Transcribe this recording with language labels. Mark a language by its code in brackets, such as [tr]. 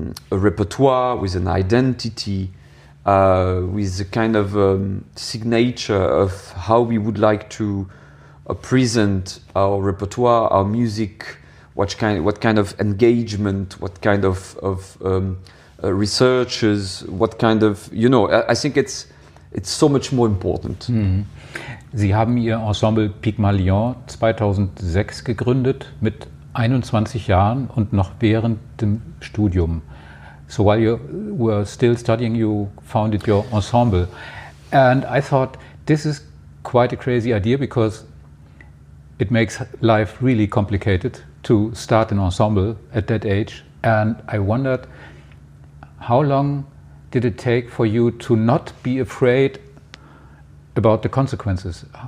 [en] repertoire, with an identity, with a kind of signature of how we would like to present our repertoire, our music, what kind of engagement, what kind of researchers, what kind of, you know, I think it's so much more important. Mm-hmm. [de] Sie haben Ihr Ensemble Pygmalion 2006 gegründet mit 21 Jahren und noch während dem Studium. [en] So while you were still studying, you founded your ensemble. And I thought, this is quite a crazy idea because it makes life really complicated to start an ensemble at that age. And I wondered, how long did it take for you to not be afraid about the consequences?